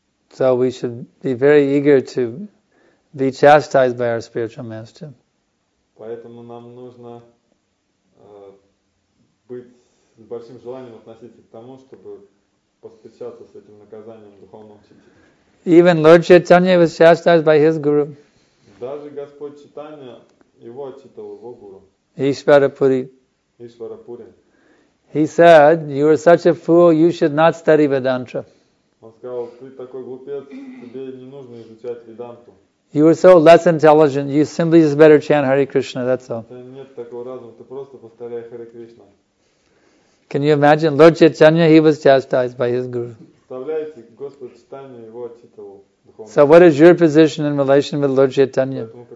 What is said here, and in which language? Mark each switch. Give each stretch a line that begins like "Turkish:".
English: So we should be very eager to be chastised by our spiritual master.
Russian: Поэтому нам нужно быть с большим желанием относиться к тому, чтобы постучаться с этим наказанием духовного учителя.
English: Even Lord Chaitanya was chastised by his guru.
Russian: Даже Господь Читания его отчитывал, его гуру.
English: Ишварапури. He said, "You are such a fool. You should not study Vedanta."
Russian: Он сказал, ты такой глупец, тебе не нужно изучать Веданту.
English: You are so less intelligent. You simply just better chant Hare Krishna. That's all.
Russian: Нет такого разума. Ты просто повторяй Hare Krishna.
English: Can you imagine, Lord Chaitanya? He was chastised by his guru.
Russian: Представляете, Господь Читания его отчитывал.
English: So what is your position in relation with Lord Chaitanya?